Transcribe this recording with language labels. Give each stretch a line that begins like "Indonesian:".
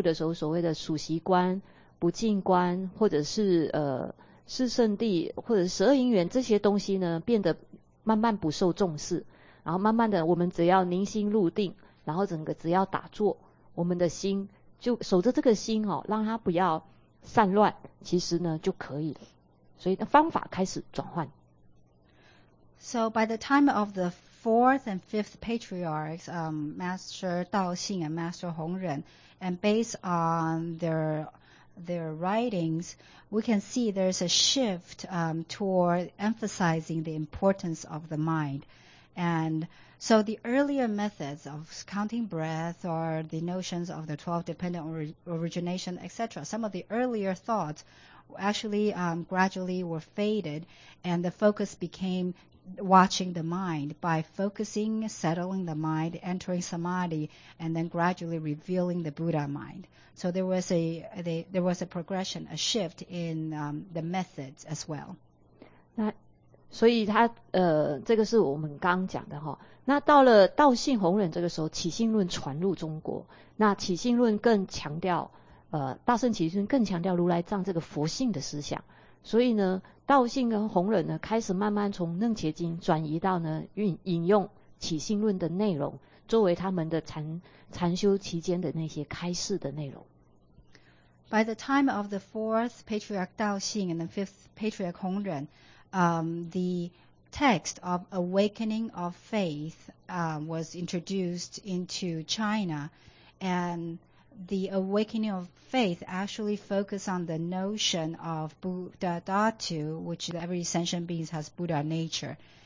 Chinese: 那在生灿以后呢，其实所谓的四祖道信跟五祖弘忍呢，他们也开始有一些所谓禅修体验的一些著作出现。那从他们的著作里面，其实可以看到所谓心这样的一个概念的重视。那变成所谓前面的那一些禅经讲的所谓的前面刚传入的时候所谓的属习观。不净观，或者是四圣地，或者十二因缘这些东西呢，变得慢慢不受重视。然后慢慢的，我们只要凝心入定，然后整个只要打坐，我们的心就守着这个心哦，让它不要散乱，其实呢就可以了。所以方法开始转换。
English: So by the time of the fourth and fifth patriarchs, Master Daoxin and Master Hongren, and based on their writings, we can see there's a shift toward emphasizing the importance of the mind. And so the earlier methods of counting breath or the notions of the 12 dependent origination, etc., some of the earlier thoughts actually gradually were faded, and the focus became watching the mind by focusing, settling the mind, entering samadhi, and then gradually revealing the Buddha mind. So there was a progression, a shift in the methods as well.
Chinese: 那所以他这个是我们刚讲的哈。那到了道信弘忍这个时候，起信论传入中国。那起信论更强调大圣起信论更强调如来藏这个佛性的思想。所以呢，道信跟弘忍呢，开始慢慢从楞伽经转移到呢引用起信论的内容，作为他们的禅修期间的那些开示的内容。
English: By the time of the fourth patriarch Daoxin and the fifth patriarch Hongren, the text of awakening of faith was introduced into China, and the awakening of faith actually focused on the notion of Buddha Dhatu, which every sentient being has Buddha nature.